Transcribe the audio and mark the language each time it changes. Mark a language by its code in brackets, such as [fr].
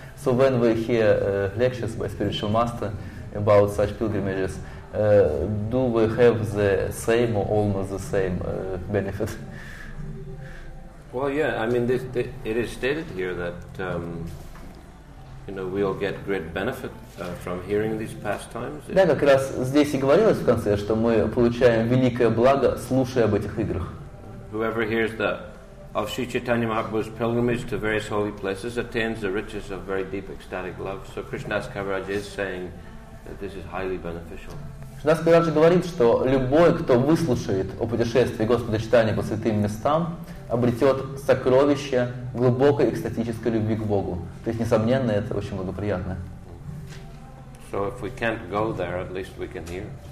[en] So when we hear lectures by spiritual master about such pilgrimages, do we have the same or almost the same benefit? Well, yeah, I mean, it is stated here that, you know, we'll get great benefit from hearing these pastimes. [ru] Да, как раз здесь и говорилось в конце, что мы получаем великое благо, слушая об этих играх. [en] Whoever hears the of Sri Chaitanya Mahaprabhu's pilgrimage to various holy places attains the riches of very deep ecstatic love. So Krishnadas Kaviraj is saying that this is highly beneficial. [ru] Krishnadas Kaviraj говорит, что любой, кто выслушает о путешествии Господа Чайтаньи по святым местам, обретет сокровище глубокой экстатической любви к Богу. То есть, несомненно, это очень благоприятно. [en] So if we can't go there, at least we can hear.